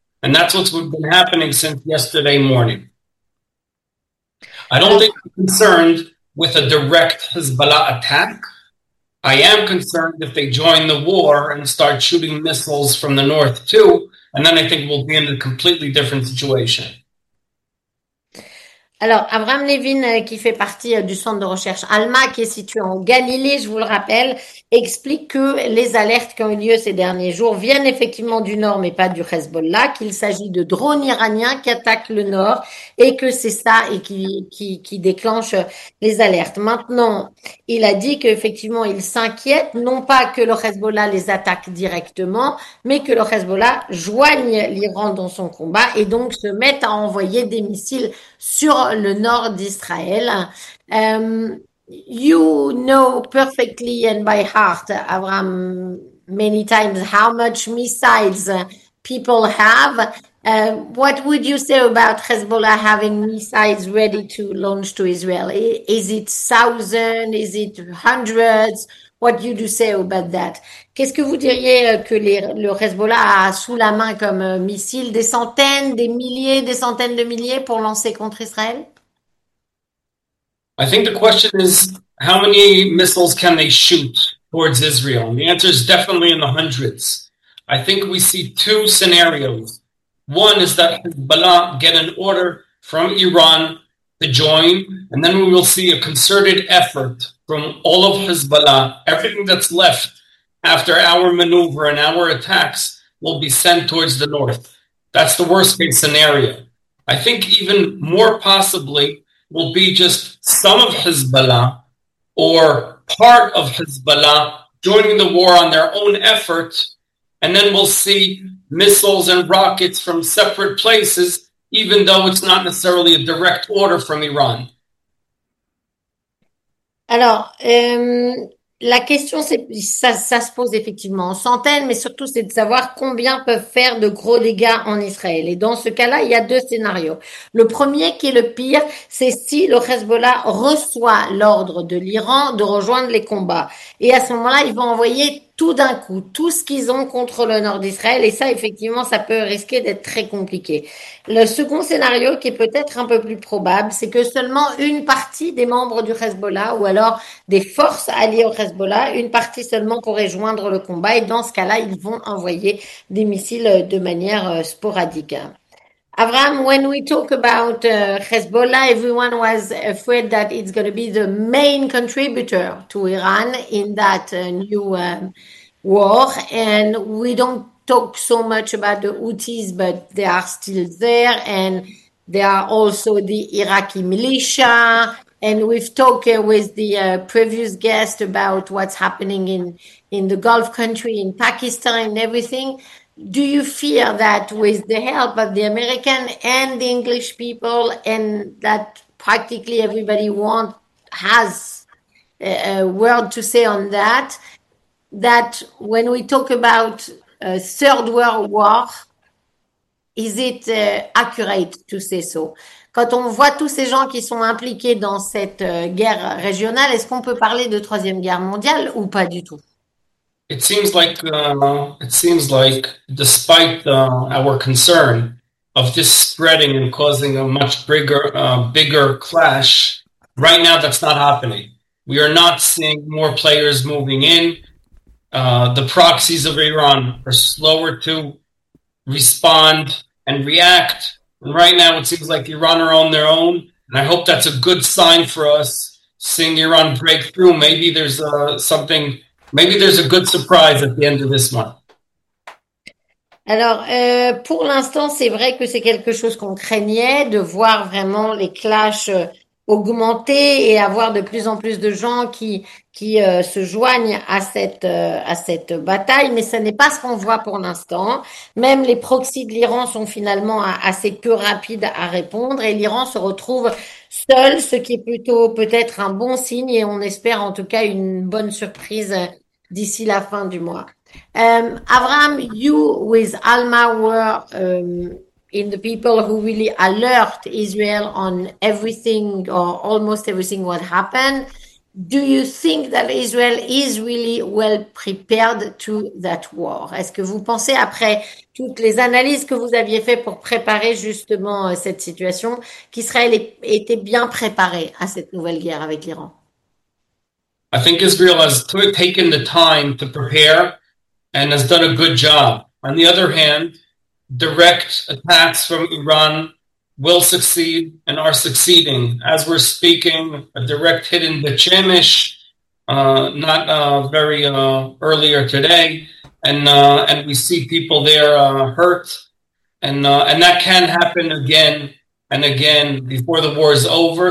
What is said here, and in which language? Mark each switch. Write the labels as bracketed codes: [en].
[en] And that's what's been happening since yesterday morning. I don't think I'm concerned with a direct Hezbollah attack. I am concerned if they join the war and start shooting missiles from the north too, and then I think we'll be in a completely different situation. [fr] Alors, Avraham Levin, qui fait partie du centre de recherche ALMA, qui est situé en Galilée, je vous le rappelle, explique que les alertes qui ont eu lieu ces derniers jours viennent effectivement du nord, mais pas du Hezbollah, qu'il s'agit de drones iraniens qui attaquent le nord et que c'est ça et qui déclenche les alertes. Maintenant, il a dit qu'effectivement, il s'inquiète, non pas que le Hezbollah les attaque directement, mais que le Hezbollah joigne l'Iran dans son combat et donc se mette à envoyer des missiles sur le nord d'Israël. [en] You know perfectly and by heart, Avram, many times how much missiles people have. What would you say about Hezbollah having missiles ready to launch to Israel? Is it thousands? Is it hundreds? What do you say about that? [fr] Qu'est-ce que vous diriez que le Hezbollah a sous la main comme missile des centaines, des milliers, des centaines de milliers pour lancer contre Israël? [en] I think the question is how many missiles can they shoot towards Israel? And the answer is definitely in the hundreds. I think we see two scenarios. One is that Hezbollah get an order from Iran to join, and then we will see a concerted effort from all of Hezbollah. Everything that's left after our maneuver and our attacks will be sent towards the north. That's the worst case scenario. I think even more possibly will be just some of Hezbollah or part of Hezbollah joining the war on their own effort, and then we'll see missiles and rockets from separate places, even though it's not necessarily a direct order from Iran. [fr] Alors, la question, c'est, ça se pose effectivement en centaines, mais surtout, c'est de savoir combien peuvent faire de gros dégâts en Israël. Et dans ce cas-là, il y a deux scénarios. Le premier, qui est le pire, c'est si le Hezbollah reçoit l'ordre de l'Iran de rejoindre les combats. Et à ce moment-là, ils vont envoyer tout d'un coup tout ce qu'ils ont contre le nord d'Israël. Et ça, effectivement, ça peut risquer d'être très compliqué. Le second scénario, qui est peut-être un peu plus probable, c'est que seulement une partie des membres du Hezbollah, ou alors des forces alliées au Hezbollah, une partie seulement pourrait joindre le combat. Et dans ce cas-là, ils vont envoyer des missiles de manière sporadique. [en] Avram, when we talk about Hezbollah, everyone was afraid that it's going to be the main contributor to Iran in that new war. And we don't talk so much about the Houthis, but they are still there. And they are also the Iraqi militia. And we've talked with the previous guest about what's happening in the Gulf country, in Pakistan and everything. Do you fear that with the help of the American and the English people, and that practically everybody want has a word to say on that, that when we talk about a third world war, is it accurate to say so? [fr] Quand on voit tous ces gens qui sont impliqués dans cette guerre régionale, est-ce qu'on peut parler de Troisième Guerre mondiale ou pas du tout? [en] It seems like, despite our concern of this spreading and causing a much bigger, bigger clash, right now that's not happening. We are not seeing more players moving in. The proxies of Iran are slower to respond and react. And right now, it seems like Iran are on their own. And I hope that's a good sign for us, seeing Iran break through. Maybe there's something. Maybe there's a good surprise at the end of this month. [fr] Alors, pour l'instant, c'est vrai que c'est quelque chose qu'on craignait de voir vraiment les clashs augmenter et avoir de plus en plus de gens qui se joignent à cette bataille, mais ce n'est pas ce qu'on voit pour l'instant. Même les proxys de l'Iran sont finalement assez peu rapides à répondre et l'Iran se retrouve seul, ce qui est plutôt peut-être un bon signe et on espère en tout cas une bonne surprise d'ici la fin du mois. [en] Avram, you with Alma were in the people who really alert Israel on everything or almost everything what happened. Do you think that Israel is really well prepared to that war? [fr] Est-ce que vous pensez, après toutes les analyses que vous aviez faites pour préparer justement cette situation, qu'Israël était bien préparé à cette nouvelle guerre avec l'Iran? [en] I think Israel has taken the time to prepare and has done a good job. On the other hand, direct attacks from Iran will succeed and are succeeding. As we're speaking, a direct hit in Beit Shemesh, not very earlier today, and we see people there hurt, and that can happen again and again before the war is over.